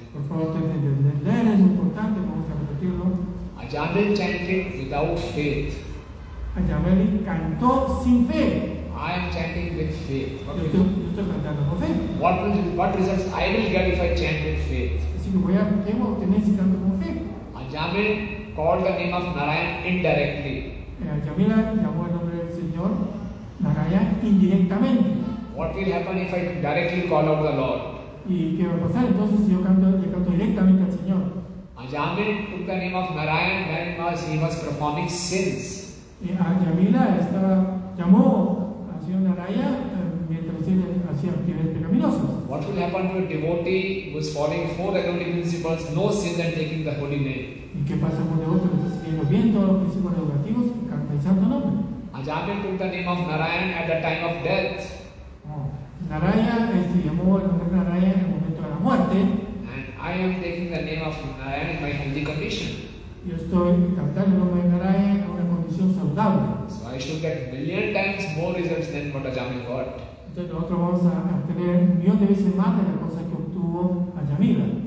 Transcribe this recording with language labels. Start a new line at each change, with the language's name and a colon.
Spanish: Por favor, ten que entender. Es importante, vamos a repetirlo.
English: Ayamel chanting without faith.
Spanish: Ayamel cantó sin fe.
English: I am chanting with faith. Okay.
Spanish: Yo estoy cantando con fe.
English: What results I will get if I chant with faith?
Spanish: Así que voy a obtener si canto con fe.
English: Ayamel called the name of Narayan indirectly.
Spanish: Ayamel llamó el nombre del Señor Narayan indirectamente.
English: What will happen if I directly call out the Lord?
Spanish: ¿Y qué va a pasar entonces si yo canto, directamente al Señor?
English: Ajamil took the name of Narayan when he was performing sins.
Spanish: Ajamila llamó al Señor Narayan mientras él hacía actividades pecaminosas.
English: What will happen to a devotee who is following four regulatory principles, no sins and taking the holy name?
Spanish: ¿Y qué pasa con el otro que está siguiendo bien todos los principios educativos y canta el santo nombre?
English: Ajamil took the name of Narayan at the time of death.
Spanish: Narayan llamó el nombre de Narayan en el momento de la muerte.
English: I am taking the name of Narayan in my healthy condition.
Spanish: Yo estoy cantando el nombre de Narayan en una condición saludable.
English: So I should get million times more results than what Ajamil got.
Spanish: Entonces nosotros vamos a tener un millón de veces más de la cosa que obtuvo Ajamila.